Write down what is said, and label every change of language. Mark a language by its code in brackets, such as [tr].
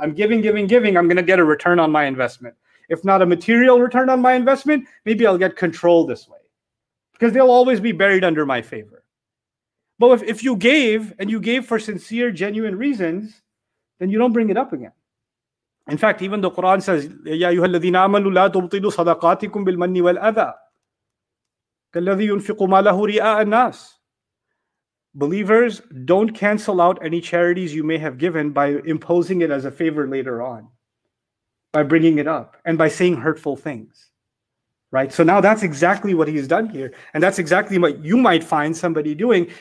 [en] I'm giving, I'm going to get a return on my investment. If not a material return on my investment, maybe I'll get control this way. Because they'll always be buried under my favor. But if you gave, and you gave for sincere, genuine reasons, then you don't bring it up again. [ar] In fact, even the Quran says, يَا أَيُّهَا الَّذِينَ آمَنُوا لَا تُبْطِلُوا صَدَقَاتِكُمْ بِالْمَنِّ وَالْأَذَىٰ كَالَّذِي يُنْفِقُ مَالَهُ رِئَاءَ النَّاسِ. [en] Believers, don't cancel out any charities you may have given by imposing it as a favor later on, by bringing it up, and by saying hurtful things. Right? So now that's exactly what he's done here. And that's exactly what you might find somebody doing.